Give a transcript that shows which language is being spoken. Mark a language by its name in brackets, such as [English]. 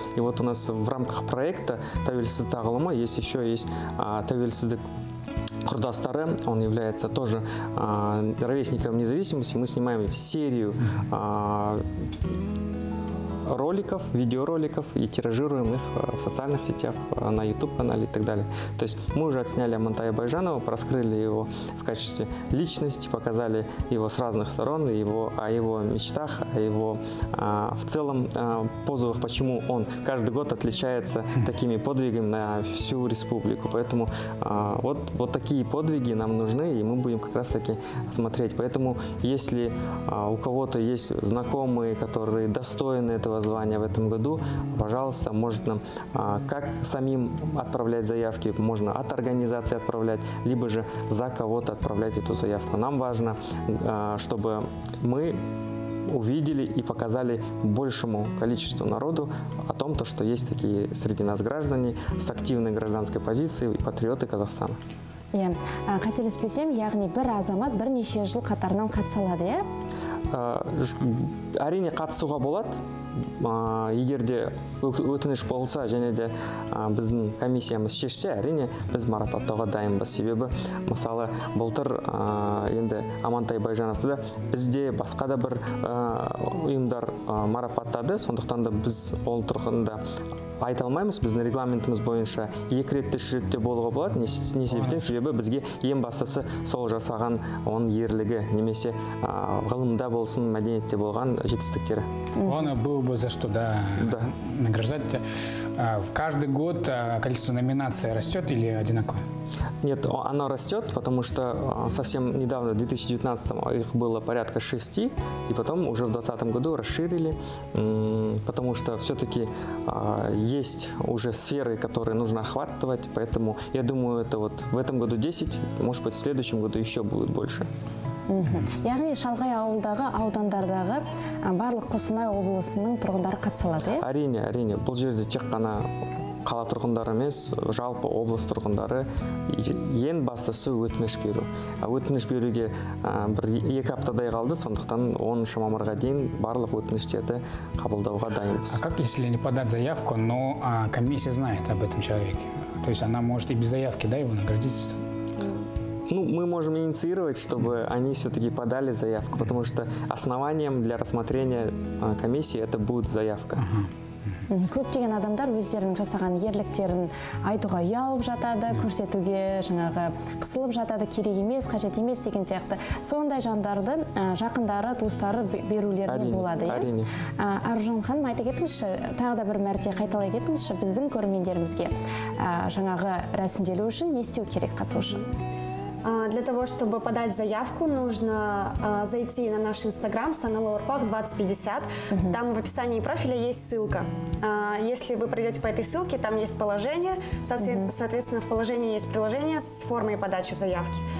[Russian] И вот у нас в рамках проекта «Тәуелсіздік ағылымы» есть «Тәуелсіздік құрдастары». Он является тоже ровесником независимости. Мы снимаем серию роликов, видеороликов и тиражируем их в социальных сетях, на YouTube-канале и так далее. То есть мы уже отсняли Амантая Байжанова, раскрыли его в качестве личности, показали его с разных сторон, его, о его мечтах, о его в целом позывах, почему он каждый год отличается такими подвигами на всю республику. Поэтому вот такие подвиги нам нужны, и мы будем как раз-таки смотреть. Поэтому если у кого-то есть знакомые, которые достойны этого звания в этом году, пожалуйста, можно как самим отправлять заявки, можно от организации отправлять, либо же за кого-то отправлять эту заявку. Нам важно, чтобы мы увидели и показали большему количеству народу о том, то, что есть такие среди нас граждане с активной гражданской позицией и патриоты Казахстана. Хотели спросить, [Kazakh] яғни бір азамат бірнеше жыл қатарынан қатыса алады, иә? Әрине, қатысуға болады. Егер де өтініш болса, және де біздің комиссиямыз шешсе, әрине, біз марапаттауға дайынбыз. Себебі, мысалы, былтыр енді Амантай Байжановты да бізде басқа да бір ұйымдар марапаттады, сондықтан да біз ол тұрғында айта алмаймыз. Біздің регламентіміз бойынша екі ретте, үш ретте болуға болады. Не себептен? Себебі бізге ең бастысы сол жасаған оның ерлігі, немесе ғылымда болсын, мәдениетте болған жетістіктері. [Russian] Оны был бы за что, да, да, награждать. В каждый год количество номинаций растет или одинаково? Нет, оно растет, потому что совсем недавно, в 2019-м, их было порядка 6, и потом уже в 2020 году расширили, потому что все-таки есть уже сферы, которые нужно охватывать, поэтому я думаю, это вот в этом году 10, может быть, в следующем году еще будет больше. [Kazakh] Яғни Шалғай ауылдағы аудандардағы барлық Қостанай облысының тұрғындары қатысады? Әрине, әрине. Бұл жерде тек қана қала тұрғындары емес, жалпы облыс тұрғындары. Ең бастысы өтініш беру. Өтініш беруге бір екі аптадай қалды, сондықтан 10 мамырға дейін барлық өтініштерді қабылдауға дайынбыз. [Russian] А как если не подать заявку, но комиссия знает об этом человеке? То есть она может и без заявки, да, его наградить? Ну, мы можем инициировать, чтобы они все-таки подали заявку, потому что основанием для рассмотрения комиссии это будет заявка. [Kazakh] Көптеген адамдар өздерінің жасаған ерліктерін айтуға ұялып жатады, көрсетуге жаңағы қысылып жатады, керек емес, қажет емес деген сияқты. Сондай жандарды жақындары, туыстары берулеріне болады. Аружан ханым, айта кетіңізші, тағы да бір мәрте қайталай кетіңізші, біздің көрермендерімізге жаңағы рәсімделу үшін не істеу керек қатысушы? [Russian] Для того, чтобы подать заявку, нужно зайти на наш инстаграм sanalourpak2050. Там в описании профиля есть ссылка. Если вы пройдете по этой ссылке, там есть положение. Соответственно, в положении есть приложение с формой подачи заявки.